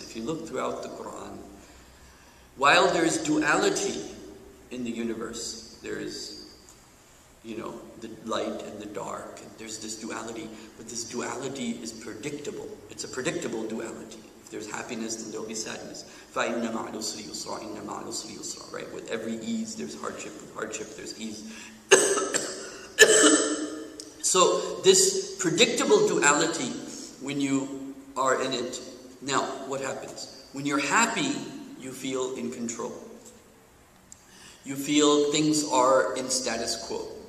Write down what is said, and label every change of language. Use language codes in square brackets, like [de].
[en] If you look throughout the Quran, while there is duality in the universe, there is, you know, the light and the dark, and there's this duality, but this duality is predictable. It's a predictable duality. If there's happiness, then there'll be sadness. [ar] فَإِنَّ مَعَ الْعُسْرِ يُسْرًا إِنَّ مَعَ الْعُسْرِ يُسْرًا Right? [en] With every ease, there's hardship. With hardship, there's ease. So, this predictable duality, when you are in it, now, what happens? When you're happy, you feel in control. You feel things are in status quo.